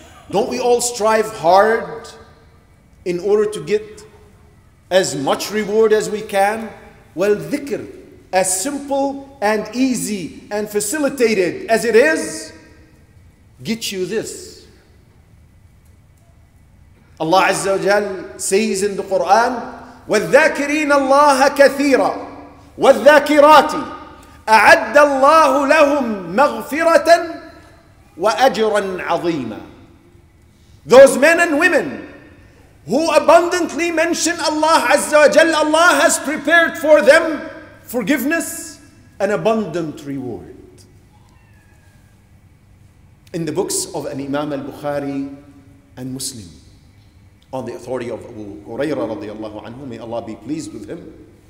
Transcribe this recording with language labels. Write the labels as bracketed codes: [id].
[en] Don't we all strive hard in order to get as much reward as we can? Well, dhikr, as simple and easy and facilitated as it is, gets you this. Allah Azza wa Jal says in the Quran, [ar] وَالذَّاكِرِينَ اللَّهَ كَثِيرًا وَالذَّاكِرَاتِ أَعَدَّ اللَّهُ لَهُمْ مَغْفِرَةً وَأَجْرًا عَظِيمًا. [en] Those men and women who abundantly mention Allah Azza wa Jal, Allah has prepared for them forgiveness and abundant reward. in the books of an Imam al-Bukhari and Muslim, on the authority of Abu Hurairah radiallahu anhu, may Allah be pleased with him,